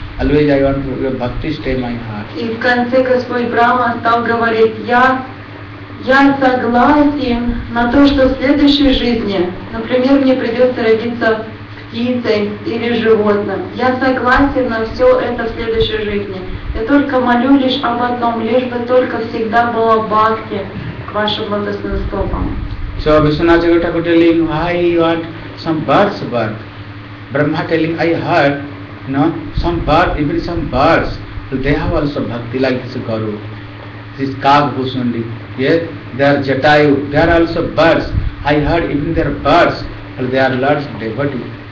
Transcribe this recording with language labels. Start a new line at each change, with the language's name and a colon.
English: Always I want your bhakti stay my heart.
Russian: И в конце Господь Брахма стал говорить, я согласен на то, что в следующей жизни, например, мне придется родиться птицей или животным. Я согласен на все это в следующей жизни. Я только молю лишь об одном, лишь бы только всегда было бхакти к вашим лотосным стопам.
English: So Vishwanath Chakravarti Thakur telling, why you want some birth? Brahma telling, I heard, some birds, so they have also bhakti like this Guru, this Kaag Bhushundi. Yes, they are Jatayu, they are also birds. I heard even their birds, but they are Lord's devotee.